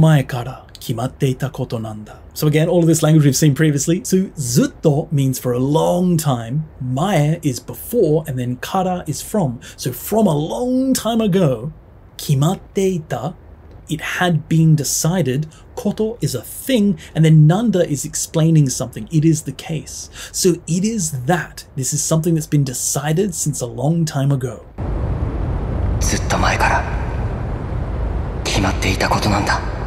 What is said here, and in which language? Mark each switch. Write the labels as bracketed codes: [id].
[ja] ずっと前から決まっていたことなんだ. [en] So again, all of this language we've seen previously. So ずっと means for a long time. 前 is before, and then から is from. So from a long time ago, 決まっていた, it had been decided. Koto is a thing, and then nanda is explaining something. It is the case. So it is that. This is something that's been decided since a long time ago. [ja] ずっと前から決まっていたことなんだ.